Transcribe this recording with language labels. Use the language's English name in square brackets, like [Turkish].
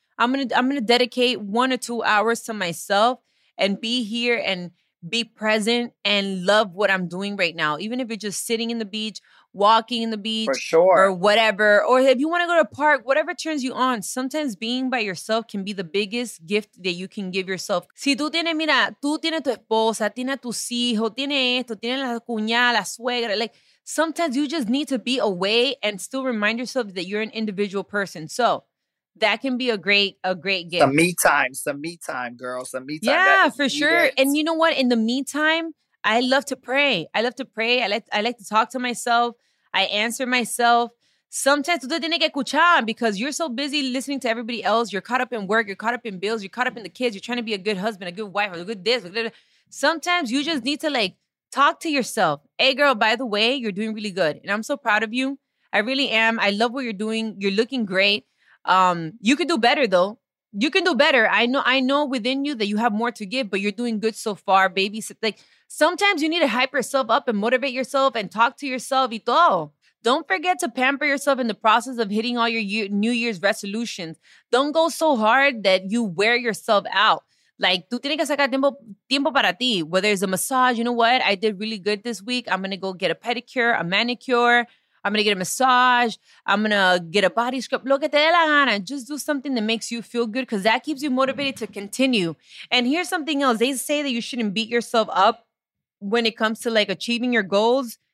[English] I'm gonna dedicate 1 or 2 hours to myself and be here and be present and love what I'm doing right now. Even if it's just sitting in the beach, walking in the beach, for sure, or whatever. Or if you want to go to a park, whatever turns you on. Sometimes being by yourself can be the biggest gift that you can give yourself. [Spanish] Si tú tienes, mira, tú tienes tu esposa, tienes tus hijos, tienes esto, tienes la cuñada, la suegra. [English] Like, sometimes you just need to be away and still remind yourself that you're an individual person. So that can be a great gift. Some me time, girl. Some me time. Yeah, for sure. And you know what? In the meantime, I love to pray. I like to talk to myself. I answer myself. Sometimes [Spanish] tú te tienes que escuchar [English] because you're so busy listening to everybody else. You're caught up in work. You're caught up in bills. You're caught up in the kids. You're trying to be a good husband, a good wife, a good this. Sometimes you just need to like talk to yourself. Hey, girl, by the way, you're doing really good. And I'm so proud of you. I really am. I love what you're doing. You're looking great. You can do better, though. You can do better. I know within you that you have more to give, but you're doing good so far, baby. Like, sometimes you need to hype yourself up and motivate yourself and talk to yourself. [Spanish] Y todo. [English] Don't forget to pamper yourself in the process of hitting all your New Year's resolutions. Don't go so hard that you wear yourself out. [Spanish] Like, tú tienes que sacar tiempo para ti. [English] Whether it's a massage, you know what? I did really good this week. I'm going to go get a pedicure, a manicure. I'm going to get a massage. I'm going to get a body scrub. [Spanish] Lo que te dé la gana. [English] Just do something that makes you feel good because that keeps you motivated to continue. And here's something else. They say that you shouldn't beat yourself up when it comes to like achieving your goals.